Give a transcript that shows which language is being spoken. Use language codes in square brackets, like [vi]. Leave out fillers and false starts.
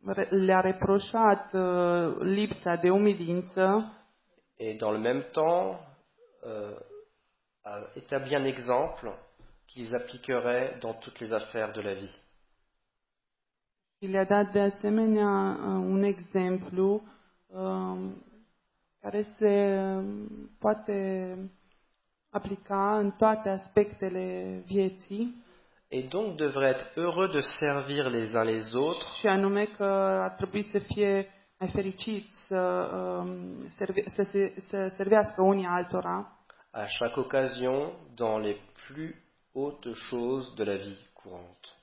[ro] Le-a reproșat lipsa de umilință. [fr] Et dans le même temps, a établi un exemple qu'ils appliqueraient dans toutes les affaires de la vie. [ro] Il a dat de asemenea un exemplu care se poate aplica în toate aspectele vieții. [fr] Et donc devrait être heureux de servir les uns les autres. [ro] Și anume că ar trebui să fie mai fericit să servească unii altora. [fr] À chaque occasion, dans les plus hautes choses de la vie courante.